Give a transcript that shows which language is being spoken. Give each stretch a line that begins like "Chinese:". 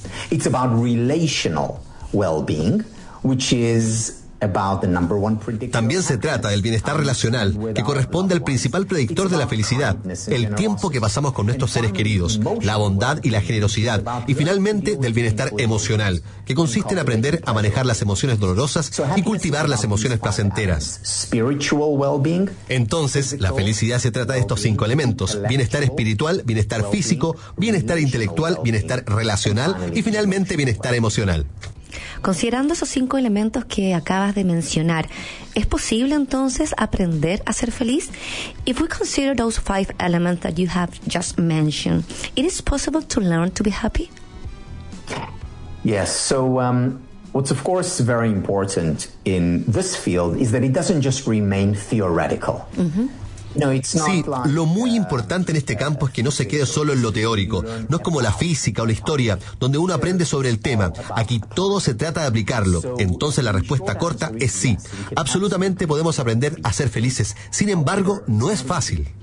English: It's about relational well-being, which is about the number one predictor.
Spanish: También se trata del bienestar relacional, que corresponde al principal predictor de la felicidad, el tiempo que pasamos con nuestros seres queridos, la bondad y la generosidad, y finalmente del bienestar emocional, que consiste en aprender a manejar las emociones dolorosas y cultivar las emociones placenteras. Entonces, la felicidad se trata de estos cinco elementos: bienestar espiritual, bienestar físico, bienestar intelectual, bienestar relacional y finalmente bienestar emocional. Considerando esos cinco elementos que acabas de mencionar, ¿es posible entonces aprender a ser feliz?
English: If we consider those five elements that you have just mentioned, it is possible to learn to be happy? Yes, so what's of course very important in this field is that it doesn't just remain theoretical. Mm-hmm.
Spanish: Sí, lo muy importante en este campo es que no se quede solo en lo teórico. No es como la física o la historia, donde uno aprende sobre el tema. Aquí todo se trata de aplicarlo. Entonces la respuesta corta es sí. Absolutamente podemos aprender a ser felices. Sin embargo, no es fácil.